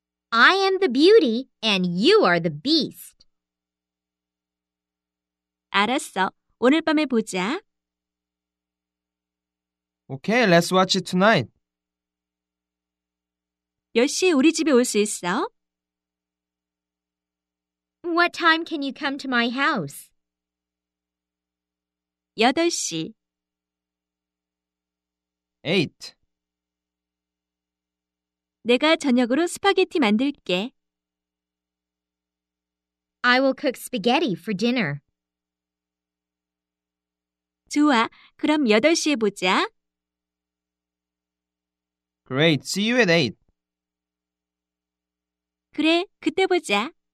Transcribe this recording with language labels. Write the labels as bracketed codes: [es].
[en] I am the beauty and you are the beast. [ko] 알았어. 오늘 밤에 보자. [en] Okay, let's watch it tonight. [ko] 몇 시에 우리 집에 올 수 있어? [en] What time can you come to my house? [ko] 8시. [en] 8. [ko] 내가 저녁으로 스파게티 만들게. [en] I will cook spaghetti for dinner. [ko] 좋아. 그럼 8시에 보자. [en] Great. See you at 8. [ko] 그래, 그때 보자.